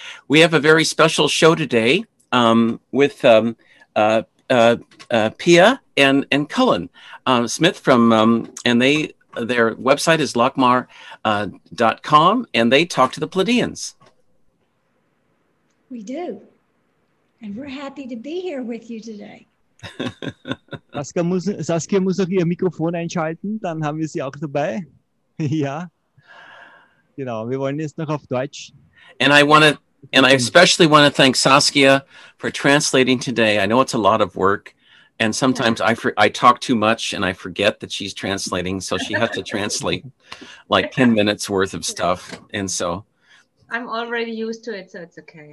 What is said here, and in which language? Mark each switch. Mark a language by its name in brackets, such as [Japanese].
[English] We have a very special show today with Pia and Cullen Smith from and they their website is lochmar .com, and they talk to the Pleiadians. We do. And we're happy to be here with you today. [German] Saskia muss auch ihr Mikrofon einschalten, dann haben wir sie auch dabei. Ja, genau, wir wollen jetzt noch auf Deutsch. [English] And I especially want to thank Saskia for translating today. I know it's a lot of work, and sometimes I talk too much and I forget that she's translating, so she has to translate like 10 minutes worth of stuff. And so I'm already used to it, so it's okay.